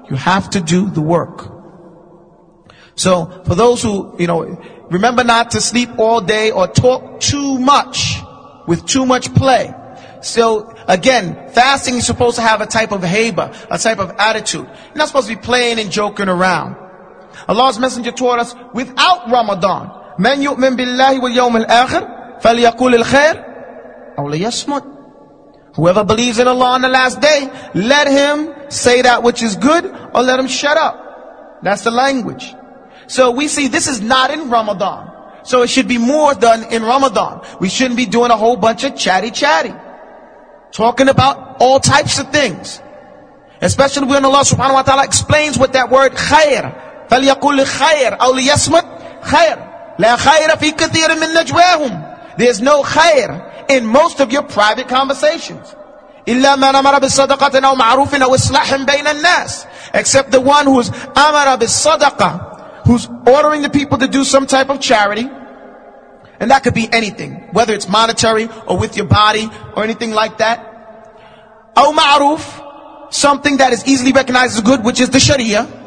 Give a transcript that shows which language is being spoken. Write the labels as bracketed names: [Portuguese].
[English] You have to do the work. So, for those who, you know, remember not to sleep all day or talk too much with too much play. So, again, fasting is supposed to have a type of haiba, a type of attitude. You're not supposed to be playing and joking around. Allah's Messenger taught us without Ramadan, [Arabic] مَنْ يُؤْمِنْ بِاللَّهِ وَالْيَوْمِ الْآخِرِ فَلْيَقُولِ الْخَيْرِ أَوْ لَيَسْمُتْ. [English] Whoever believes in Allah on the last day, let him say that which is good or let him shut up. That's the language. So we see this is not in Ramadan. So it should be more done in Ramadan. We shouldn't be doing a whole bunch of chatty-chatty, talking about all types of things. Especially when Allah subhanahu wa ta'ala explains what that word khair. [Arabic] فَلْيَقُلْ خَيْر أَوْ لِيَسْمُتْ خَيْر. لَا خَيْرَ فِي كَثِيرٍ مِنْ نَجْوَاهُمْ. [English] There's no khair in most of your private conversations. [Arabic] إِلَّا مَنَ مَرَ بِالصَّدَقَةٍ أَوْ مَعْرُوفٍ أَوْ إِصْلَاحٍ بَيْنَ النَّاسِ. [English] except the one who's amara bisadaqah, who's ordering the people to do some type of charity. And that could be anything, whether it's monetary or with your body or anything like that. Aw ma'ruf, something that is easily recognized as good, which is the sharia.